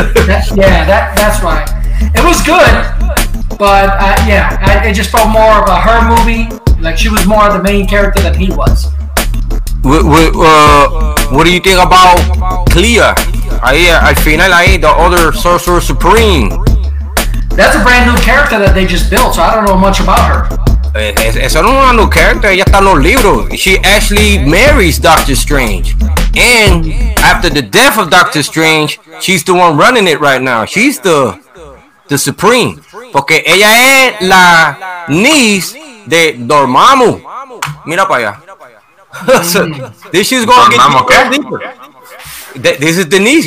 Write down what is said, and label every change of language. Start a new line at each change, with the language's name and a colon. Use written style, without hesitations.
English: that's why. It was good, but it just felt more of a her movie. Like, she was more of the main character than he was. What do you think about Clea?
Spanish: Al final, ahí,
English: the other Sorcerer Supreme. That's a brand new character that they just built, so I don't know much about her.
Spanish: Esa no es una
English: new character,
Spanish: ella está en los libros.
English: She actually marries Doctor Strange. And after the death of Doctor Strange, she's the one running it right now. She's the Supreme.
Spanish: Porque ella es la niece de Dormammu. Mira para allá.
English: This is going to get deeper. This is Denise.